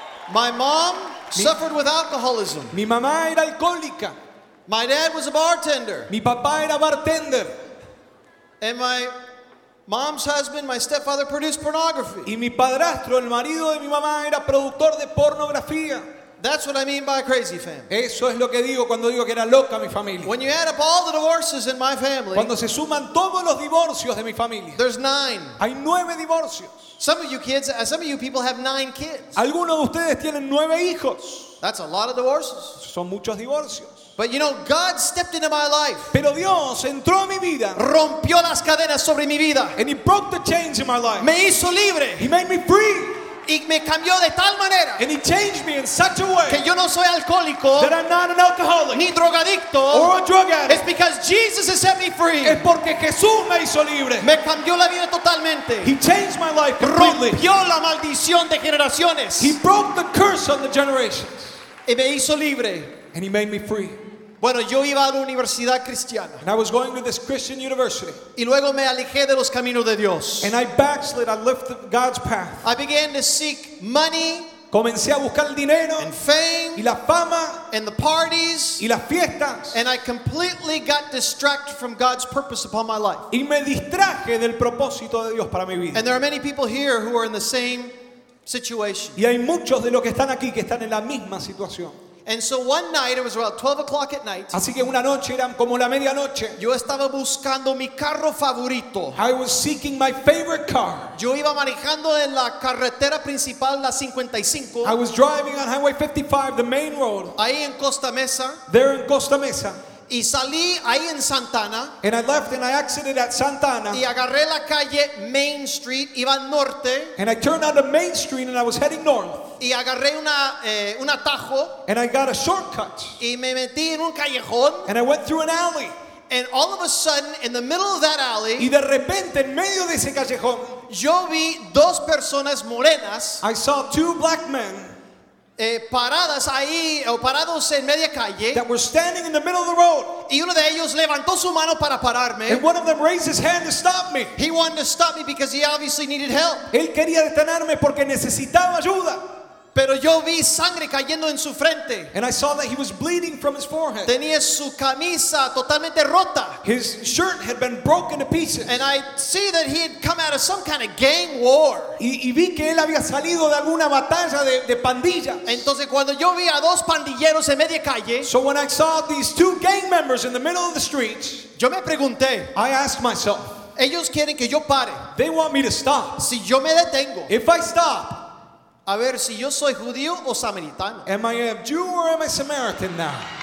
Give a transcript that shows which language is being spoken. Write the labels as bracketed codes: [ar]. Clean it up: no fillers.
[en] My mom suffered with alcoholism. [es] Mi mamá era alcohólica. [en] My dad was a bartender. [es] Mi papá era bartender. [en] And my mom's husband, my stepfather, produced pornography. [es] Y mi padrastro, el marido de mi mamá, era productor de pornografía. [en] That's what I mean by a crazy family. [es] Eso es lo que digo cuando digo que era loca mi familia. [en] When you add up all the divorces in my family, [es] cuando se suman todos los divorcios de mi familia, [en] there's nine. [es] Hay nueve divorcios. [en] Some of you people have nine kids. [es] Algunos de ustedes tienen nueve hijos. [en] That's a lot of divorces. [es] Son muchos divorcios. [en] But you know, God stepped into my life. [es] Pero Dios entró a mi vida. Rompió las cadenas sobre mi vida. [en] And He broke the chains in my life. [es] Me hizo libre. [en] He made me free. [es] Y me cambió de tal manera. [en] And He changed me in such a way. [es] Que yo no soy alcohólico. [en] That I'm not an alcoholic. [es] Ni drogadicto. [en] Or a drug addict. It's because Jesus has set me free. [es] Es porque Jesús me hizo libre. Me cambió la vida totalmente. [en] He changed my life completely. [es] Rompió la maldición de generaciones. [en] He broke the curse on the generations. [es] Y me hizo libre. [en] And He made me free. [es] Bueno, yo iba a la universidad cristiana. [en] And I was going to this Christian university. [es] Y luego me alejé de los caminos de Dios. [en] And I backslid, I left God's path. I began to seek money. [es] Comencé a buscar el dinero. [en] And fame. [es] Y la fama. [en] And the parties. [es] Y las fiestas. [en] And I completely got distracted from God's purpose upon my life. [es] Y me distraje del propósito de Dios para mi vida. [en] And there are many people here who are in the same situation. [es] Y hay muchos de los que están aquí que están en la misma situación. [en] And so one night, it was about 12 o'clock at night. [es] Así que una noche, eran como la medianoche. Yo estaba buscando mi carro favorito. [en] I was seeking my favorite car. [es] Yo iba manejando en la carretera principal, la 55. [en] I was driving on Highway 55, the main road. [es] Ahí en Costa Mesa. [en] There in Costa Mesa. [es] Y salí ahí en Santana. [en] And I left and I exited at Santana. [es] Y agarré la calle Main Street, iba norte. [en] And I turned onto Main Street and I was heading north. [es] Y agarré un atajo. [en] And I got a shortcut. [es] Y me metí en un callejón. [en] And I went through an alley. And all of a sudden, in the middle of that alley, [es] y de repente, en medio de ese callejón, yo vi dos personas morenas. [en] I saw two black men. [es] Paradas ahí o parados en media calle. [en] That were standing in the middle of the road. [es] Y uno de ellos levantó su mano para pararme. [en] And one of them raised his hand to stop me. He wanted to stop me because he obviously needed help. [es] Él quería detenerme porque necesitaba ayuda. Pero yo vi sangre cayendo en su frente. [en] And I saw that he was bleeding from his forehead. [es] Tenía su camisa totalmente rota. [en] His shirt had been broken to pieces. And I see that he had come out of some kind of gang war. [es] Y vi que él había salido de alguna batalla de pandillas. Entonces cuando yo vi a dos pandilleros en media calle, [en] so when I saw these two gang members in the middle of the streets, [es] yo me pregunté, [en] I asked myself, [es] ellos quieren que yo pare. [en] They want me to stop. [es] Si yo me detengo, [en] if I stop, [es] a ver si yo soy judío o samaritano. [en] Am I a Jew or am I Samaritan now?